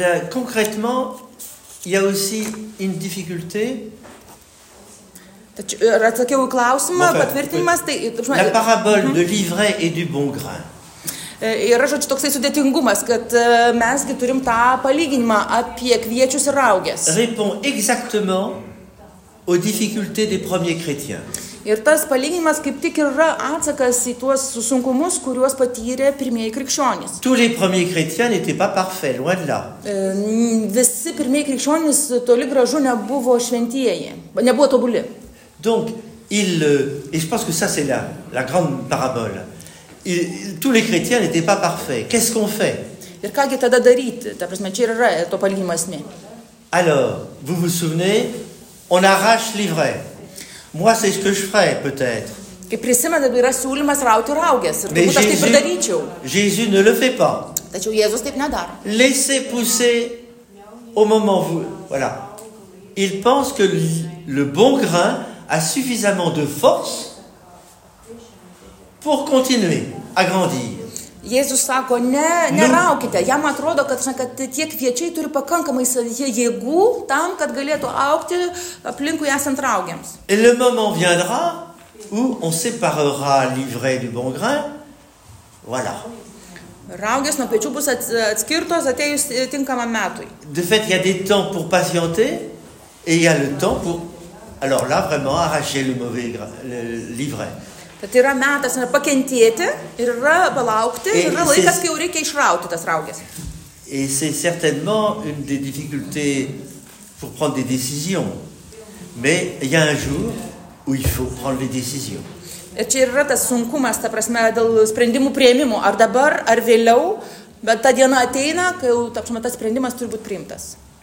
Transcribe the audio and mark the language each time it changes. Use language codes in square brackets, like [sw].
[fr] Concrètement, il y a aussi une difficulté. [lt] Tačiau, ir atsakiau į klausimą, [fr] enfin, [lt] patvirtinimas, tai... [fr] La parabole de l'ivraie et du bon grain. [lt] Yra, žodžiu, toksai sudėtingumas, kad mesgi turim tą palyginimą apie kviečius ir raugės. [fr] Répond exactement aux difficultés des premiers chrétiens. [lt] Ir tas palyginimas kaip tik yra atsakas į tuos sunkumus, kuriuos patyrė pirmieji krikščionys. [fr] Tous les premiers chrétiens n'étaient pas parfaits, loin de là. [lt] Visi pirmieji krikščionys toli gražu nebuvo šventieji, nebuvo tobuli. [fr] Donc, et je pense que ça c'est la grande parabole. Tous les chrétiens n'étaient pas parfaits. Qu'est-ce qu'on fait? [lt] Ir kągi tada daryti? Ta prasme, čia yra to palyginimo esmė. [fr] Alors, vous vous souvenez, on arrache l'ivraie. Moi, c'est ce que je ferais, peut-être. [lt] Kaip prisimenat, yra siūlymas rauti raugės. Ir turbūt aš taip ir daryčiau. [fr] Jésus ne le fait pas. [lt] Tačiau Jėzus taip nedaro. [fr] Laissez pousser au moment où... Voilà. Il pense que le bon grain a suffisamment de force pour continuer à grandir. [lt] Jėzus sako, neraukite. Jam atrodo, kad tie kviečiai turi pakankamai savyje jėgų tam, kad galėtų augti aplinkui esant raugiams. [fr] Et le moment viendra où on séparera l'ivraie du bon grain. Voilà. [lt] Raugės nuo kviečių bus atskirtos atėjus tinkamam metui. [fr] De fait, il y a des temps pour patienter et il y a le temps pour... Alors là, vraiment, arracher le mauvais l'ivraie. [lt] Tai yra metas pakentėti, ir yra palaukti, ir yra laikas, kai jau reikia išrauti tas raugės. [fr] Et c'est certainement une des difficultés pour prendre des décisions. Mais il y a un jour où il faut prendre les décisions. [lt] Ir čia yra tas sunkumas, ta prasme, dėl sprendimų priėmimo. Ar dabar, ar vėliau, bet ta diena ateina, kai jau, ta prasme, tas sprendimas turi būti priimtas.